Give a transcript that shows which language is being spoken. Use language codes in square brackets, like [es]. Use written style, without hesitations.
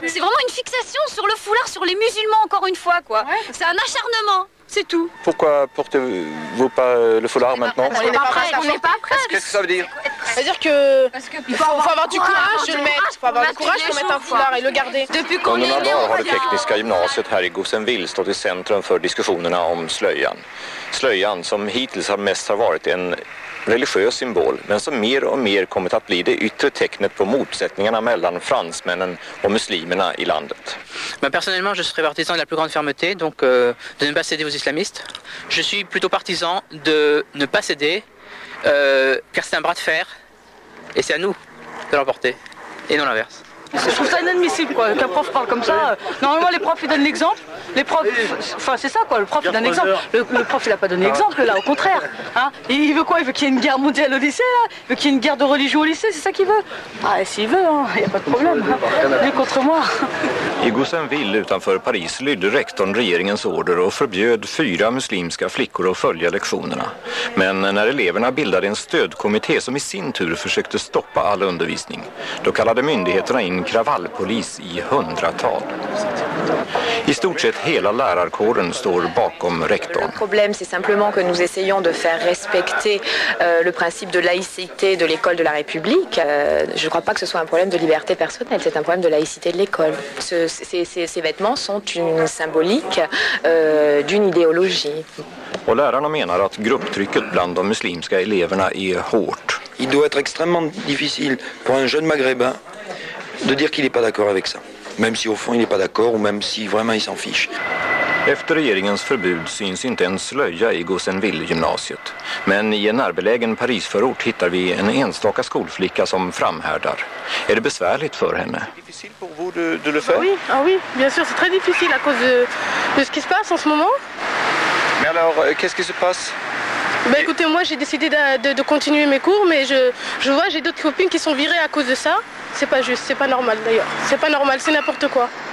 [fr] C'est vraiment une fixation sur le foulard sur les musulmans encore une fois quoi. C'est un acharnement, c'est tout. Pourquoi portez-vous pas le foulard maintenant? On n'est pas prêts, on n'est pas prêts. Qu'est-ce que ça veut dire? Ça veut dire que faut avoir du courage de le mettre. Il faut avoir du courage pour mettre un foulard et le garder. Depuis qu'on est [sv] né, har det tekniska gymnasiet här i Gosenville stått i centrum för diskussionerna om slöjan. Slöjan som hittills har mest har varit en religiös symbol, men som mer och mer kommit att bli det yttre tecknet på motsättningarna mellan fransmännen och muslimerna i landet. Men personligen jag är [fr] partisan de la plus grande fermeté, donc de ne pas céder aux islamistes. Je suis plutôt partisan de ne pas céder car c'est un bras de fer et c'est à nous de l'emporter et non l'inverse. Je trouve ça inadmissible quoi, qu'un prof parle comme ça. Normalement les profs ils donnent l'exemple. Les profs, enfin c'est ça quoi, le prof il donne l'exemple. Le prof il a pas donné l'exemple là, au contraire. Hein, il veut quoi? Il veut qu'il y ait une guerre mondiale au lycée là? Il veut qu'il y ait une guerre de religion au lycée, c'est ça qu'il veut? Ah s'il veut, hein, il n'y a pas de problème. Hein. Lui contre moi. [sv] I Gosenville utanför Paris lydde rektorn regeringens order och förbjöd 4 muslimska flickor att följa lektionerna. Men när eleverna bildade en stödkommitté som i sin tur försökte stoppa all undervisning, då kallade myndigheterna in kravallpolis i hundratal. I stort sett hela lärarkåren står bakom rektorn. [fr] Le problème c'est simplement que nous essayons de faire respecter le principe de laïcité de l'école de la République. Je crois pas que ce soit un problème de liberté personnelle, c'est un problème de laïcité de l'école. Ces vêtements sont une symbolique d'une idéologie. [sv] Och lärarna menar att grupptrycket bland de muslimska eleverna är hårt. [fr] Il doit être extrêmement difficile pour un jeune maghrébin de dire qu'il est pas d'accord avec ça. Même si au fond il est pas d'accord ou même si vraiment il s'en fiche. [sv] Efter regeringens förbud syns inte en slöja i Gosenville-gymnasiet. Men i en närbelägen Parisförort hittar vi en enstaka skolflicka som framhärdar. Är det besvärligt för henne? [fr] Difficile pour vous de le faire? Oui, ah oui, bien sûr, c'est très difficile à cause de ce qui se passe en ce moment. Mais alors, qu'est-ce qui se passe? Ben écoutez, moi j'ai décidé de continuer mes cours, mais je vois j'ai d'autres copines qui sont virées à cause de ça. C'est pas juste, c'est pas normal d'ailleurs. C'est pas normal, c'est n'importe quoi.